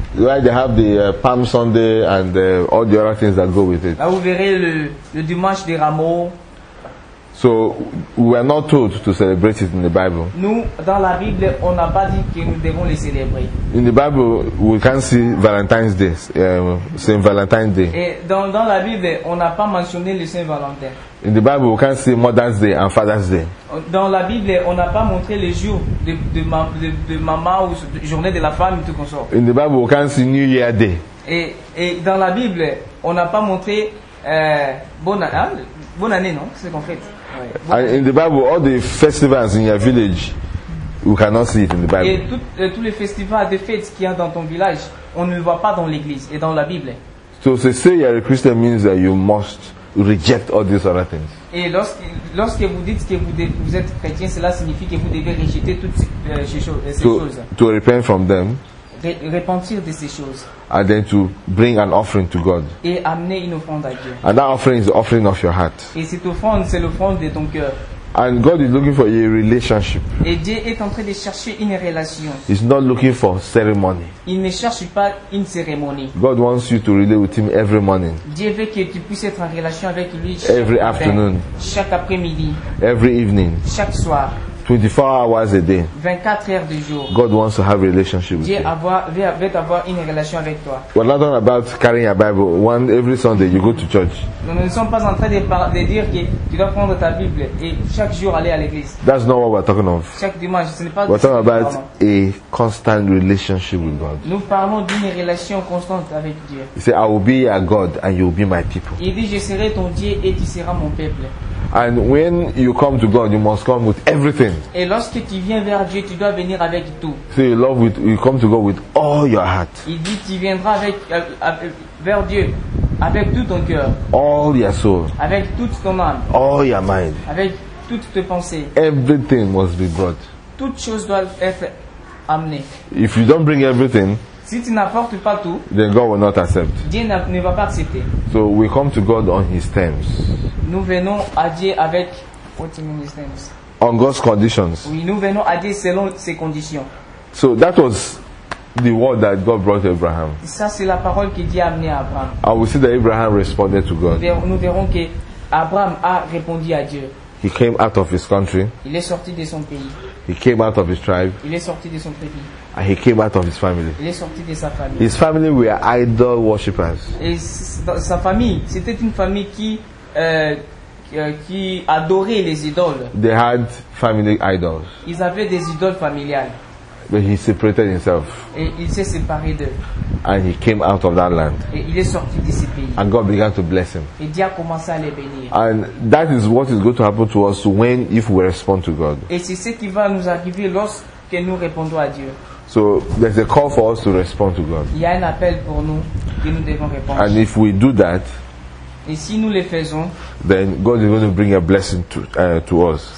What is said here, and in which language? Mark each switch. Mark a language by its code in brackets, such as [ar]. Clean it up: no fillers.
[en] Where they have the Palm Sunday and all the other things that go with it. [fr] Là, vous verrez le dimanche des rameaux. [en] So we are not told to celebrate it in the Bible. [fr] Nous, dans la Bible, on n'a pas dit que nous devons les célébrer. [en] In the Bible, we can see Valentine's Day, Saint Valentine's Day. [fr] Et dans la Bible, on n'a pas mentionné le Saint Valentin. [en] In the Bible, we can see Mother's Day and Father's Day. [fr] Dans la Bible, on n'a pas montré les jours de maman ou de journée de la femme et tout comme ça. [en] In the Bible, we can see New Year Day. [fr] Et dans la Bible, on n'a pas montré bonne année, non? C'est qu'en fait. [en] And in the Bible, all the festivals in your village, we cannot see it in the Bible. [fr] Et tous les festivals de fêtes qu'il y a dans ton village, on ne le voit pas dans l'église et dans la Bible. [en] So to say you are a Christian means that you must reject all these other things. [fr] Et lorsque vous dites que vous êtes chrétien, cela signifie que vous devez rejeter toutes ces choses. [en] To repent from them. [fr] Repentir de ces choses. [en] And then to bring an offering to God. [fr] Et amener une offrande à Dieu. [en] And that offering is the offering of your heart. [fr] Et cette offrande, c'est l'offrande de ton cœur. [en] And God is looking for a relationship. [fr] Et Dieu est en train de chercher une relation. [en] He's not looking for ceremony. [fr] Il ne cherche pas une cérémonie. [en] God wants you to relate with Him every morning. [fr] Dieu veut que tu puisses être en relation avec lui. [en] Every afternoon. [fr] Chaque après-midi. [en] Every evening. [fr] Chaque soir. [en] 24 hours a day. [fr] 24 heures de jour. [en] God wants to have a relationship with [fr] Dieu [en] you. [fr] Veut avoir une relation avec toi. [en] We're not talking about carrying a Bible. One every Sunday you go to church. [fr] Nous ne sommes pas en train de dire que tu dois prendre ta Bible et chaque jour aller à l'église. [en] That's not what we're talking of. [fr] Chaque dimanche, ce n'est pas. [en] We're talking about a constant relationship with God. [fr] Nous parlons d'une relation constante avec Dieu. [en] He said, "I will be your God and you will be my people." [fr] Il dit, je serai ton Dieu et tu seras mon peuple. [en] And when you come to God, you must come with everything. [fr] Et lorsque tu viens vers Dieu, tu dois venir avec tout. [en] So you love with you come to God with all your heart. [fr] Il dit tu viendras avec vers Dieu avec tout ton cœur. [en] All your soul. [fr] Avec toute ton âme. [en] All your mind. [fr] Avec toutes tes pensées. [en] Everything must be brought. [fr] Toutes choses doivent être amenées. [en] If you don't bring everything. [fr] Si tu n'apportes pas tout, [en] then God will not accept. [fr] Dieu ne va pas accepter. [en] So we come to God on His terms. [fr] Nous venons à Dieu avec. [en] What do you mean His terms? On God's conditions. [fr] Oui, nous venons à Dieu selon ses conditions. [en] So that was the word that God brought to Abraham. [fr] Ça c'est la parole que Dieu a amené à Abraham. [en] And we see that Abraham responded to God. [fr] Nous verrons que Abraham a répondu à Dieu. [en] He came out of his country. [fr] Il est sorti de son pays. [en] He came out of his tribe. [fr] Il est sorti de son tribu. [en] And he came out of his family. [fr] Il est sorti de sa famille. [en] His family were idol worshippers. [fr] Sa famille, c'était une famille qui adorait les idoles. [en] They had family idols. [fr] Ils avaient des idoles familiales. [en] But he separated himself. [fr] Et il s'est séparé d'eux. [en] And he came out of that land. [fr] Et il est sorti de ce pays. [en] And God began to bless him. [fr] Et Dieu a commencé à les bénir. [en] And that is what is going to happen to us when if we respond to God. [fr] Et c'est ce qui va nous arriver lorsque nous répondons à Dieu. [en] So there's a call for us to respond to God. [fr] Il y a un appel pour nous que nous devons répondre. [en] And if we do that, [fr] et si nous le faisons, [en] then God is going to bring a blessing to us.